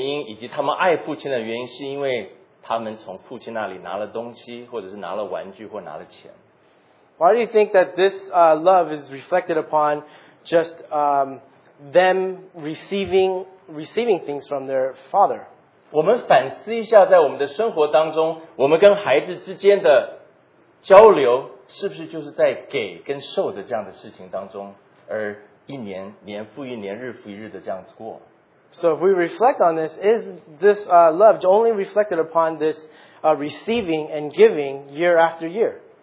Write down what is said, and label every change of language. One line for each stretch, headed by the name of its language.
Chinese: 为什么孩子们认为父亲爱他们的原因以及他们爱父亲的原因是因为 他们从父亲那里拿了东西或者是拿了玩具或拿了钱。
English: Why do you think that this love is reflected upon just them receiving things from their father?
Chinese: 我们反思一下在我们的生活当中我们跟孩子之间的交流是不是就是在给跟受的这样的事情当中而一年年复一年日复一日的这样子过。
English: So if we reflect on this, is this love only reflected upon this receiving and giving year after year?